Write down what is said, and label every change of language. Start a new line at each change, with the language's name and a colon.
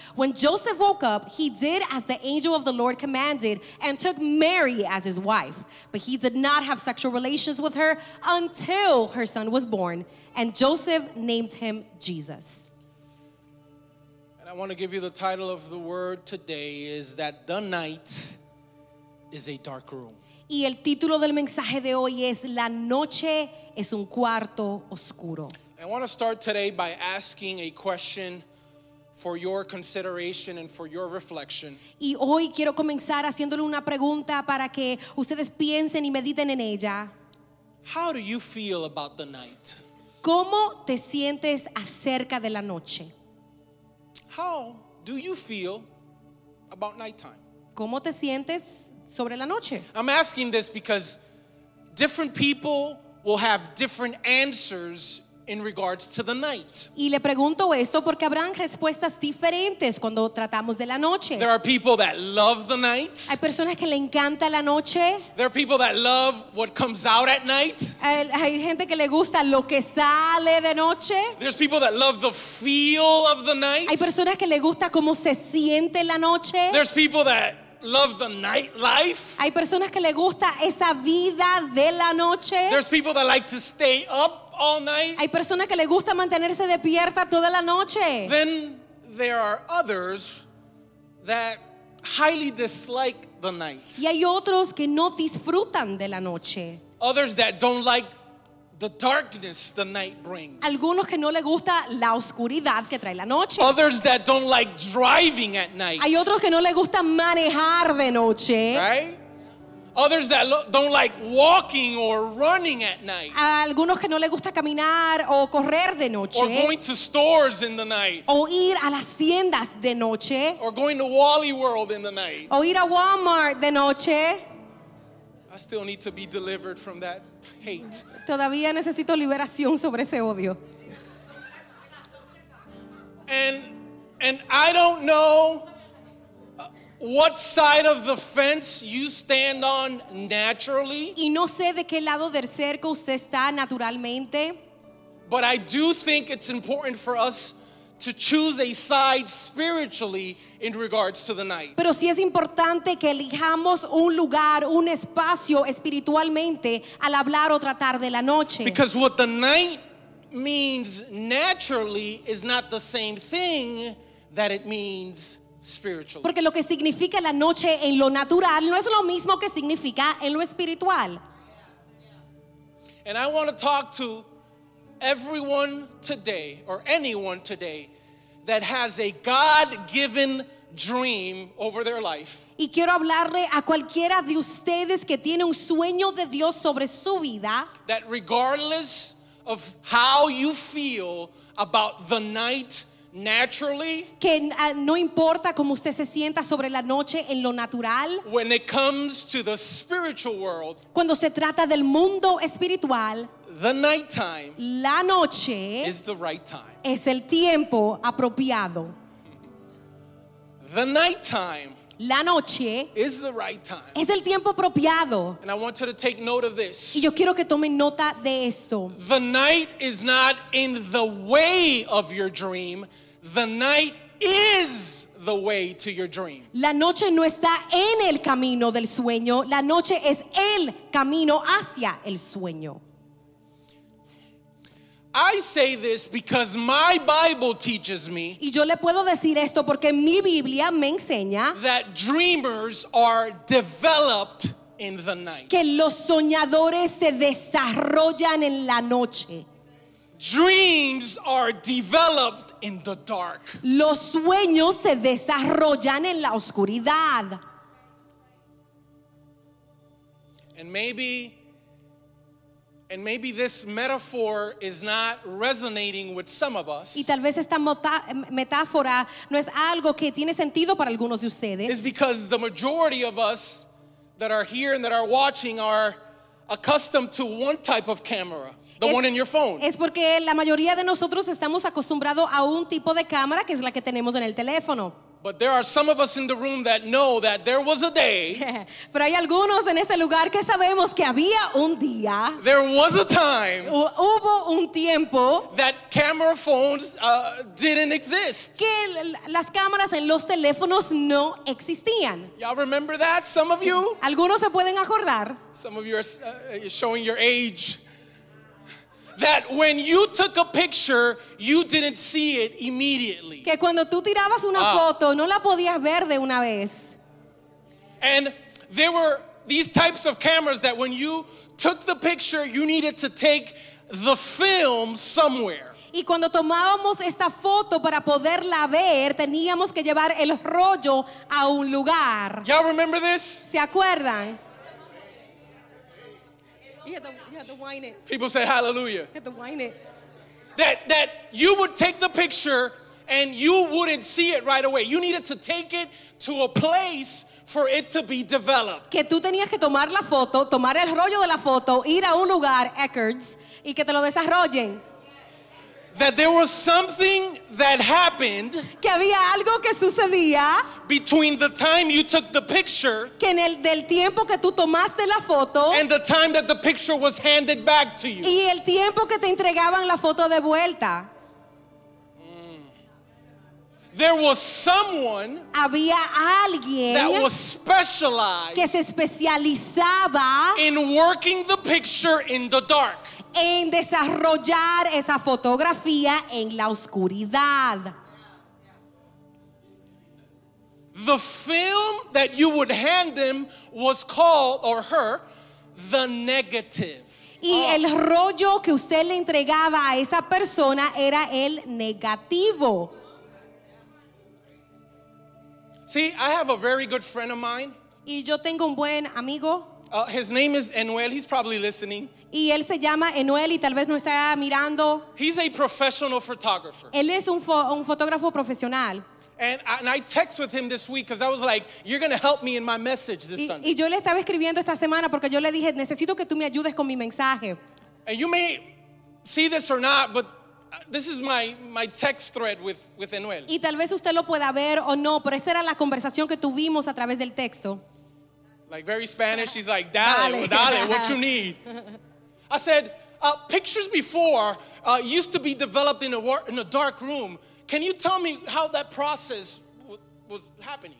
English: When Joseph woke up, he did as the angel of the Lord commanded and took Mary as his wife. But he did not have sexual relations with her until her son was born, and Joseph named him Jesus. And I want to give you the title of the word today is that the night is a dark room.
Spanish: Y el título del mensaje de hoy es La noche es un cuarto oscuro.
English: I want to start today by asking a question for your consideration and for your reflection.
Spanish: Y hoy quiero comenzar haciéndole una pregunta para que ustedes piensen y mediten en ella.
English: How do you feel about the night?
Spanish: ¿Cómo te sientes acerca de la noche?
English: How do you feel about nighttime?
Spanish: ¿Cómo te sientes sobre la noche?
English: I'm asking this because different people will have different answers in regards to the night.
Spanish: Y le pregunto esto porque habrán respuestas diferentes cuando tratamos de la noche.
English: There are people that love the night.
Spanish: Hay personas que le encanta la noche.
English: There are people that love what comes out at night.
Spanish: Hay gente que le gusta lo que sale de noche.
English: There's people that love the feel of the night.
Spanish: Hay personas que le gusta cómo se siente la noche.
English: There's people that love the nightlife.
Spanish: Hay personas que le gusta esa vida de la noche.
English: There's people that like to stay up all night.
Spanish: Hay personas que le gusta mantenerse despierta toda la noche.
English: Then there are others that highly dislike the night.
Spanish: Y hay otros que no disfrutan de la noche.
English: Others that don't like the darkness the night brings.
Spanish: Algunos que no le gusta la oscuridad que trae la noche.
English: Others that don't like driving at night.
Spanish: Hay otros que no le gusta manejar de noche.
English: Right? Others that don't like walking or running at night.
Spanish: Algunos que no le gusta caminar o correr de noche.
English: Or going to stores in the night.
Spanish: O ir a las tiendas de noche.
English: Or going to Wally World in the night.
Spanish: O ir a Walmart de noche.
English: I still need to be delivered from that hate.
Spanish: Todavía necesito liberación sobre ese odio.
English: And I don't know what side of the fence you stand on naturally.
Spanish: Y no sé de qué lado del cerco usted está naturalmente.
English: But I do think it's important for us to choose a side spiritually in regards to the night.
Spanish: Pero sí es importante que elijamos un lugar, un espacio espiritualmente al hablar o tratar de la noche.
English: Because what the night means naturally is not the same thing that it means spiritually.
Spanish: Porque lo que significa la noche en lo natural no es lo mismo que significa en lo espiritual.
English: And I want to talk to everyone today, or anyone today, that has a God-given dream over their life.
Spanish: Y quiero hablarle a cualquiera de ustedes que tiene un sueño de Dios sobre su vida.
English: That regardless of how you feel about the night naturally,
Spanish: que no importa cómo usted se sienta sobre la noche en lo natural,
English: when it comes to the spiritual world,
Spanish: cuando se trata del mundo espiritual,
English: the nighttime,
Spanish: la noche,
English: is the right time.
Spanish: Es el tiempo apropiado.
English: The nighttime,
Spanish: la noche,
English: is the right time.
Spanish: Es el tiempo apropiado.
English: And I want you to take note of this.
Spanish: Y yo quiero que tomen nota de esto.
English: The night is not in the way of your dream. The night is the way to your dream.
Spanish: La noche no está en el camino del sueño. La noche es el camino hacia el sueño.
English: I say this because my Bible teaches me.
Spanish: Y yo le puedo decir esto porque mi Biblia me enseña
English: that dreamers are developed in the night.
Spanish: Que los soñadores se desarrollan en la noche.
English: Dreams are developed in the dark.
Spanish: Los sueños se desarrollan en la oscuridad.
English: And maybe this metaphor is not resonating with some of us.
Spanish: Y tal vez esta metáfora no es algo que tiene sentido para algunos de ustedes.
English: It's because the majority of us that are here and that are watching are accustomed to one type of camera, one in your phone.
Spanish: Es porque la mayoría de nosotros estamos acostumbrados a un tipo de cámara que es la que tenemos en el teléfono.
English: But there are some of us in the room that know that there was a day.
Spanish: Pero hay algunos en este lugar que sabemos que había un día.
English: There was a time.
Spanish: Hubo un tiempo.
English: That camera phones didn't exist.
Spanish: Que las cámaras en los teléfonos no existían.
English: Y'all remember that? Some of you?
Spanish: Algunos se pueden acordar.
English: Some of you are showing your age. That when you took a picture, you didn't see it immediately.
Spanish: Que cuando tú tirabas una foto, no la podías ver de una vez.
English: And there were these types of cameras that when you took the picture, you needed to take the film somewhere.
Spanish: Y cuando tomábamos esta foto para poderla ver, teníamos que llevar el rollo a un lugar.
English: Y'all remember this?
Spanish: ¿Se acuerdan?
English: You had to wine it. People said hallelujah. You had to wine it. that you would take the picture and you wouldn't see it right away. You needed to take it to a place for it to be developed.
Spanish: Que tú tenías que tomar la foto, tomar el rollo de la foto, ir a un lugar, Eckerd's, y que te lo desarrollen.
English: That there was something that happened,
Spanish: que había algo que sucedía,
English: between the time you took the picture,
Spanish: que en el del tiempo que tú tomaste la foto,
English: and the time that the picture was handed back to you,
Spanish: y el tiempo que te entregaban la foto de vuelta.
English: There was someone,
Spanish: había alguien,
English: that was specialized,
Spanish: que se especializaba,
English: in working the picture in the dark,
Spanish: en desarrollar esa fotografía en la oscuridad.
English: The film that you would hand them was called, or her, the negative.
Spanish: Y el rollo que usted le entregaba a esa persona era el negativo.
English: See, I have a very good friend of mine.
Spanish: Y yo tengo un buen amigo.
English: His name is Enuel. He's probably listening.
Spanish: Y él se llama Enuel y tal vez no está mirando.
English: He's a professional photographer.
Spanish: Él es un fotógrafo profesional.
English: And I text with him this week because I was like, you're going to help me in my message this Sunday.
Spanish: Y yo le estaba escribiendo esta semana porque yo le dije, necesito que tú me ayudes con mi mensaje.
English: And you may see this or not, but this is my text thread with Enuel.
Spanish: Y tal vez usted lo pueda ver o no, pero esa era la conversación que tuvimos a través del texto.
English: Like very Spanish, he's like, dale, what you need. I said, pictures before used to be developed in a dark room. Can you tell me how that process was happening?